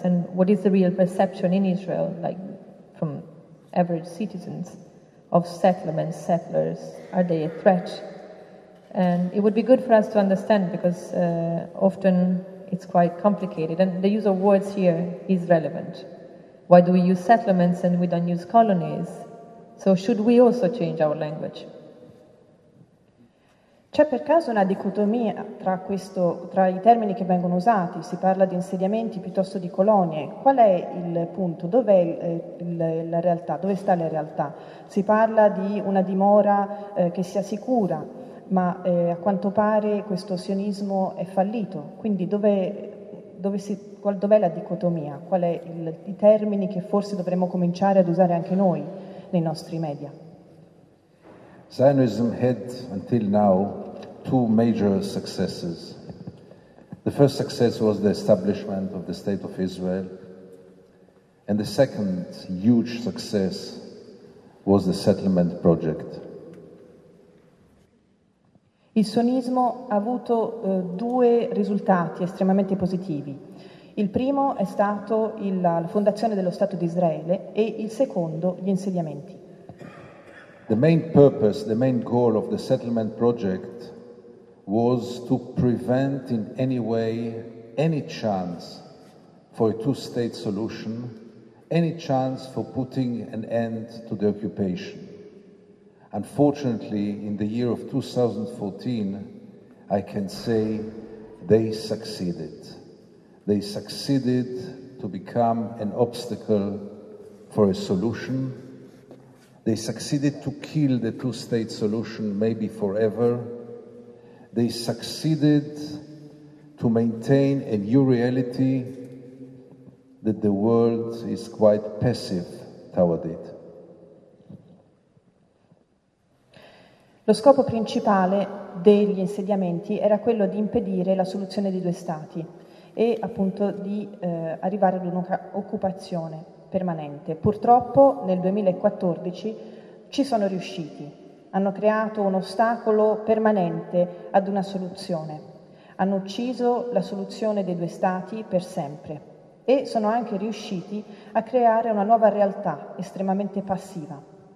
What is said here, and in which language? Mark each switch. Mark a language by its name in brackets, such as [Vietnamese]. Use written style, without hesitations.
[English] And what is the real perception in Israel, like from average citizens, of settlements, settlers? Are they a threat? And it would be good for us to understand, because often it's quite complicated. And the use of words here is relevant. Why do we use settlements and we don't use colonies? So should we also change our language? [Italian] C'è per caso una dicotomia tra i termini che vengono usati? Si parla di insediamenti piuttosto di colonie. Qual è il punto? Dov'è la realtà? Dove sta la realtà? Si parla di una dimora che sia sicura, ma a quanto pare questo sionismo è fallito. Quindi dov'è la dicotomia? Qual è i termini che forse dovremmo cominciare ad usare anche noi nei nostri media? [English] Zionism had until now two major successes. The first success was the establishment of the State of Israel, and the second huge success was the settlement project. [Italian] Il sionismo ha avuto due risultati estremamente positivi. Il primo è stato la fondazione dello Stato di Israele e il secondo gli insediamenti. [English] The main purpose, the main goal of the settlement project was to prevent in any way any chance for a two-state solution, any chance for putting an end to the occupation. Unfortunately, in the year of 2014, I can say they succeeded. They succeeded to become an obstacle for a solution. They succeeded to kill the two-state solution, maybe forever. They succeeded to maintain a new reality that the world is quite passive toward it. [Italian] Lo scopo principale degli insediamenti era quello di impedire la soluzione di due stati e appunto di arrivare ad un'occupazione permanente. Purtroppo nel 2014 ci sono riusciti, hanno creato un ostacolo permanente ad una soluzione, hanno ucciso la soluzione dei due stati per sempre e sono anche riusciti a creare una nuova realtà estremamente passiva.